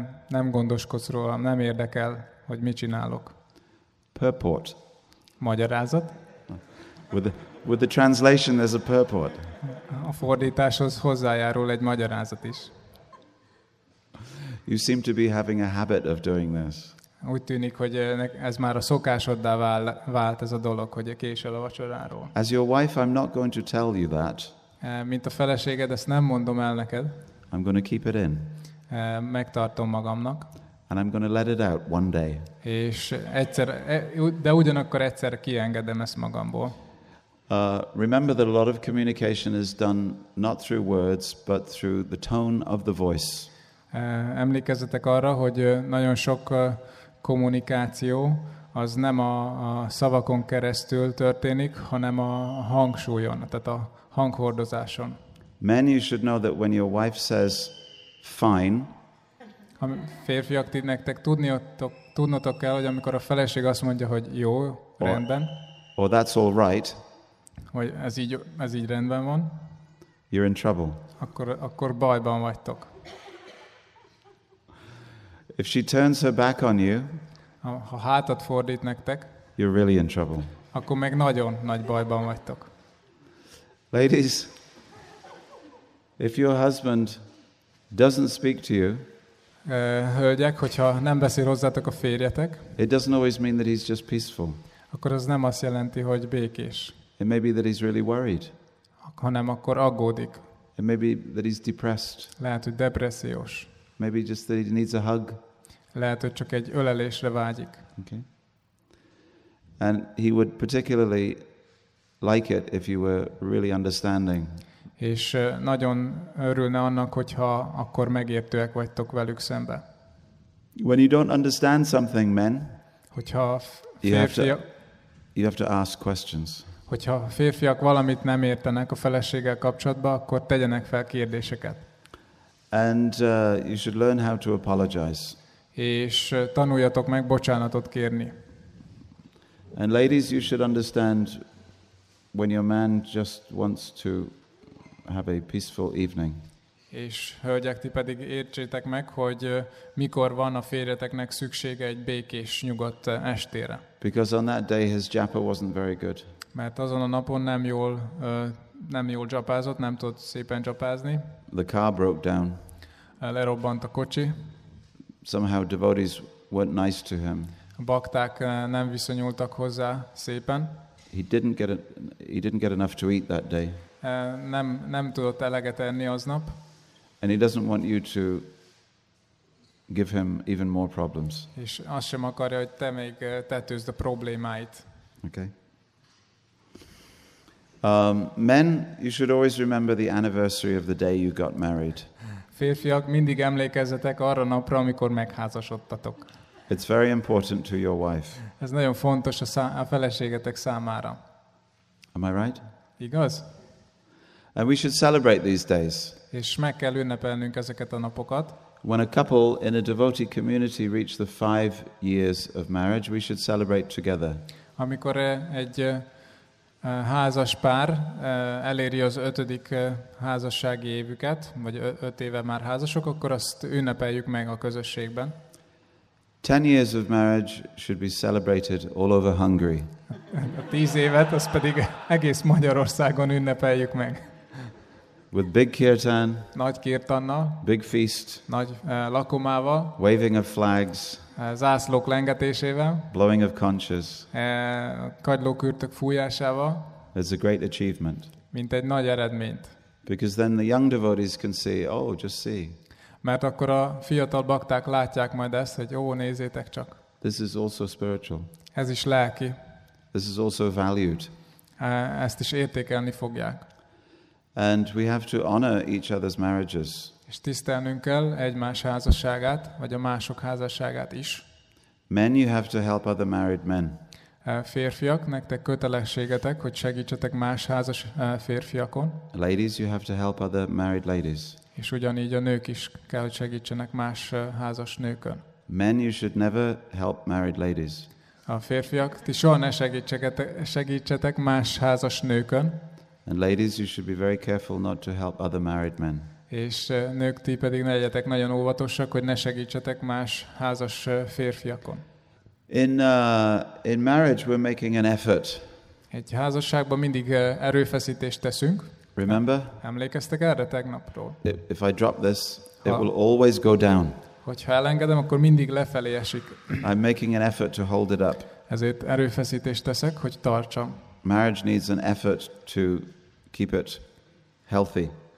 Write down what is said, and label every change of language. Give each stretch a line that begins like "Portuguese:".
Hungarian: Nem gondoskodsz rólam, nem érdekel, hogy mit csinálok.
English: Purport.
Hungarian: Magyarázat.
English: With the translation, there's a purport.
Hungarian: A fordításhoz hozzájárul egy magyarázat is.
English: You seem to be having a habit of doing this.
Hungarian: Úgy tűnik, hogy ez már a szokásoddá vált ez a dolog, hogy késel a vacsoráról.
English: As your wife, I'm not going to tell you that.
Hungarian: Mint a feleséged, ezt nem mondom el neked.
English: I'm going to keep it in.
Hungarian: Megtartom magamnak.
English: And I'm going to let it out one day.
Hungarian: És egyszer, de ugyanakkor egyszer kiengedem ezt magamból.
English: Remember that a lot of communication is done not through words, but through the tone of the voice.
Hungarian: Emlékezzetek arra, hogy nagyon sok kommunikáció az nem a szavakon keresztül történik, hanem a hangsúlyon, tehát a hanghordozáson.
English: Men, you should know that when your wife says fine.
Hungarian: A férfiak, ti nektek tudnotok kell, hogy amikor a feleség azt mondja, hogy jó, rendben.
English: Or that's all right.
Hungarian: Hogy ez így rendben van.
English: You're in trouble.
Hungarian: Akkor bajban vagytok.
English: If she turns her back on you,
Hungarian: ha hátat fordít nektek,
English: you're really in trouble.
Hungarian: Akkor meg nagyon nagy bajban vagytok.
English: Ladies, if your husband doesn't speak to you,
Hungarian: hölgyek, hogyha nem beszél hozzátok a férjetek,
English: it doesn't always mean that he's just peaceful.
Hungarian: Akkor az nem azt jelenti, hogy békés.
English: It may be that he's really worried.
Hungarian: Hanem akkor aggódik.
English: It may be that he's depressed.
Hungarian: Lehet, hogy depressziós.
English: Maybe just that he needs a hug.
Hungarian: Lehet, hogy csak egy ölelésre vágyik.
English: Okay. And he would particularly like it if you were really understanding.
Hungarian: És nagyon örülne annak, hogyha akkor megértőek vagytok velük szembe.
English: When you don't understand something, men,
Hungarian: hogyha férfiak,
English: you have to ask questions.
Hungarian: Hogyha férfiak valamit nem értenek a feleséggel kapcsolatban, akkor tegyenek fel kérdéseket.
English: And you should learn how to apologize.
Hungarian: És tanuljatok meg bocsánatot kérni.
English: And ladies, you should understand when your man just wants to have a peaceful evening.
Hungarian: És hölgyek, ti pedig értsétek meg, hogy mikor van a férjeteknek szüksége egy békés, nyugodt estére.
English: Because on that day his japa wasn't very good.
Hungarian: Mert azon a napon nem jól japázott, nem tudott szépen japázni.
English: The car broke down.
Hungarian: Lerobbant a kocsi.
English: Somehow devotees weren't nice to him.
Hungarian: A bakták nem viszonyultak hozzá szépen.
English: He didn't get enough to eat that day.
Hungarian: Nem tudott eleget enni aznap.
English: And he doesn't want you to give him even more problems.
Hungarian: És azt sem akarja, hogy te még tetőzd a problémáit.
English: Okay. Men, you should always remember the anniversary of the day you got married.
Hungarian: Férfiak, mindig emlékezzetek arra napra, amikor megházasodtatok.
English: It's very important to your wife.
Hungarian: Ez nagyon fontos a feleségetek számára.
English: Am I right?
Hungarian: Igaz?
English: And we should celebrate these days.
Hungarian: És meg kell ünnepelnünk ezeket a napokat.
English: When a couple in a devotee community reach the 5 years of marriage, we should celebrate together.
Hungarian: Amikor egy házas pár eléri az 5. házassági évüket, vagy 5 éve már házasok, akkor azt ünnepeljük meg a közösségben.
English: 10 years of marriage should be celebrated all over Hungary.
Hungarian: A 10 évet, azt pedig egész Magyarországon ünnepeljük meg.
English: With big kirtan,
Hungarian: nagy kirtannal,
English: big feast,
Hungarian: nagy lakomával,
English: waving of flags,
Hungarian: zászlók lengetésével,
English: blowing of conches,
Hungarian: kagylókürtök fújásával.
English: It's a great achievement.
Hungarian: mint egy nagy eredményt.
English: Because then the young devotees can see, oh, just see.
Hungarian: Mert akkor a fiatal bakták látják majd ezt, hogy ó, nézzétek csak.
English: This is also spiritual.
Hungarian: Ez is lelki.
English: This is also valued.
Hungarian: Ezt is értékelni fogják.
English: And we have to honor each other's marriages.
Hungarian: És tisztelnünk kell egymás házasságát, vagy a mások házasságát is.
English: Men, you have to help other married men.
Hungarian: Férfiak, nektek kötelességetek, hogy segítsetek más házas férfiakon.
English: Ladies, you have to help other married ladies.
Hungarian: És ugyanígy a nők is kell, hogy segítsenek más házas nőkön.
English: Men, you should never help married ladies.
Hungarian: A férfiak, ti soha ne segítsetek más házas nőkön.
English: And ladies, you should be very careful not to help other married men.
Hungarian: És nők, ti pedig ne legyetek nagyon óvatosak, hogy ne segítsetek más házas férfiakon.
English: In marriage, we're making an effort.
Hungarian: Egy házasságban mindig erőfeszítést teszünk.
English: Remember?
Hungarian: Emlékeztek erre tegnapról?
English: If I drop this, it will always go down.
Hungarian: Hogyha elengedem, akkor mindig lefelé esik.
English: I'm making an effort to hold it up.
Hungarian: Ezért erőfeszítést teszek, hogy tartsam.
English: Marriage needs an effort to keep it healthy.